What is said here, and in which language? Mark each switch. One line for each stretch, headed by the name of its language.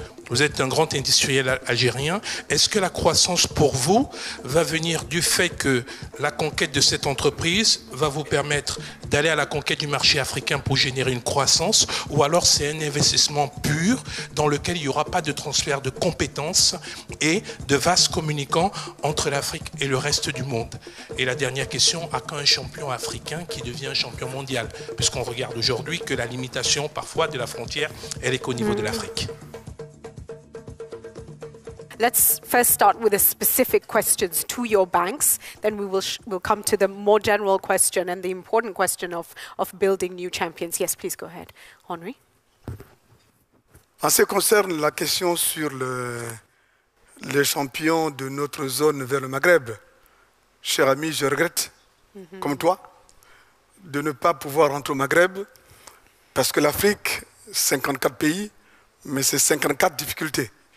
French: Vous êtes un grand industriel algérien. Est-ce que la croissance pour vous va venir du fait que la conquête de cette entreprise va vous permettre d'aller à la conquête du marché africain pour générer une croissance, ou alors c'est un investissement pur dans lequel il n'y aura pas de transfert de compétences et de vastes communicants entre l'Afrique et le reste du monde? Et la dernière question, à quand un champion africain qui devient champion mondial, puisqu'on regarde aujourd'hui que la limitation parfois de la frontière, elle est qu'au niveau de l'Afrique?
English: Let's first start with the specific questions to your banks, then we will we'll come to the more general question and the important question of building new champions. Yes, please go ahead, Henri.
French: En ce qui concerne la question sur le champion de notre zone vers le Maghreb, cher ami, je regrette, comme toi, de ne pas pouvoir rentrer au Maghreb, parce que l'Afrique, 54 pays, mais c'est 54 difficultés.